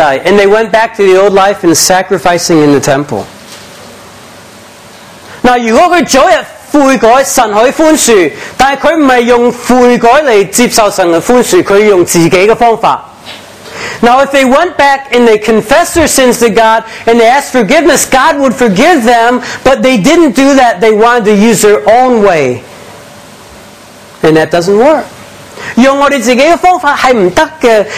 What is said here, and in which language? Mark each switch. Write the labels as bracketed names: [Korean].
[English] and they went back to the old life and sacrificing in the temple. [Chinese] Now, 如果他早日悔改，神可以寬恕，但是他不是用悔改来接受神的宽恕，他用自己的方法。 [English] Now, if they went back and they confessed their sins to God and they asked forgiveness, God would forgive them, but they didn't do that. They wanted to use their own way. And that doesn't work. [Chinese] 用我们自己的方法是不行的,